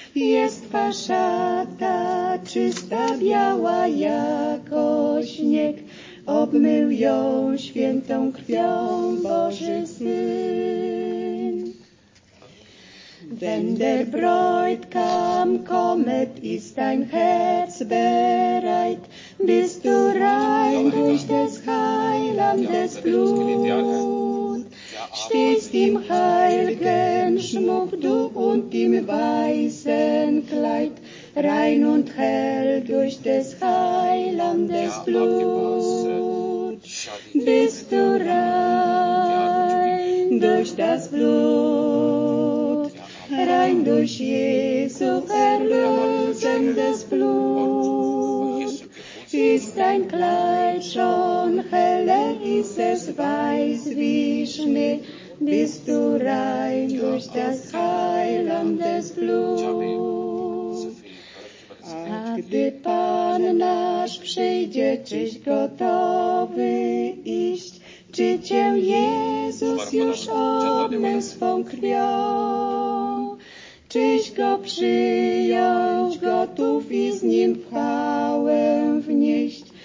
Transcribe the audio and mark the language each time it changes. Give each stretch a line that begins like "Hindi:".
Polish: Jest twa szata czysta, biała jako śnieg, obmył ją świętą krwią Boży Syn.
German: Wenn der Bräutigam kommet, ist dein Herz bereit, bist du rein durch des Heil. Heilern des Blut. Stehst im heil'gen Schmuck du und im weißen Kleid, rein und hell durch des Heilandes Blut. Bist du rein durch das Blut, rein durch Jesu erlösendes Blut. Ist dein Kleid schon heller, ist es weiß wie Schnee, bist du rein durch das Heilandes Blut.
Polish: A gdy Pan nasz przyjdzie, czyś gotowy iść? Czy cię Jezus już obmył swą krwią? Czyś go przyjął, gotów i z nim chwałę wnieść?